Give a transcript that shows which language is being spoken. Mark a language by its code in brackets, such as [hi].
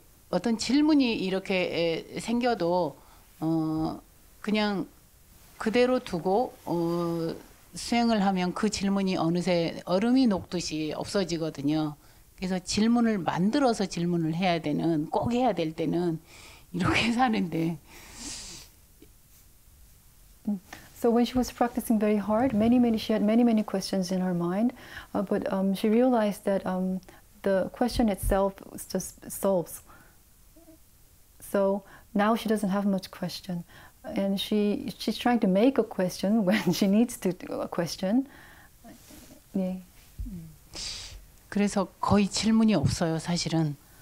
[ko] 어떤 질문이 이렇게 생겨도 그냥 그대로 두고 수행을 하면 그 질문이 어느새 얼음이 녹듯이 없어지거든요. 그래서 질문을 만들어서 질문을 해야 되는, 꼭 해야 될 때는 이렇게 사는데. [en] So when she was practicing very hard, she had many, many questions in her mind, but she realized that the question itself just solves. So now she doesn't have much question. And she's trying to make a question when she needs to a question. Yeah. [ko] 그래서 거의 질문이 없어요, 사실은.